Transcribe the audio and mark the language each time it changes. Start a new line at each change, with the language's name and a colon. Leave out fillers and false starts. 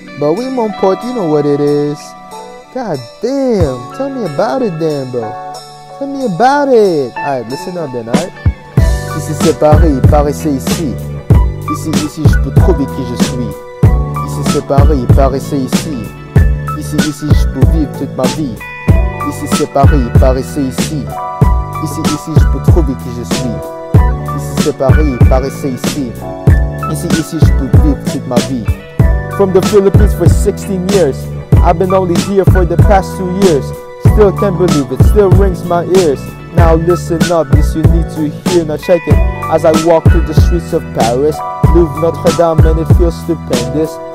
English: But we
French: mon pote,
English: you know what it is. God damn, tell me about it then, bro. Tell me about it. Alright, listen up then, alright?
French: Ici c'est Paris, Paris c'est ici. Ici je peux trouver qui je suis. Ici c'est Paris, Paris c'est ici. Ici je peux vivre toute ma vie. Ici c'est Paris, Paris c'est ici. Ici je peux trouver qui je suis. Ici c'est Paris, Paris c'est ici. Ici je peux vivre toute ma vie.
English: From the Philippines for 16 years. I've been only here for the past 2 years. Still can't believe it, still rings my ears. Now listen up, this you need to hear. Now check it, as I walk through the streets of Paris, Louvre, Notre Dame, man, it feels stupendous.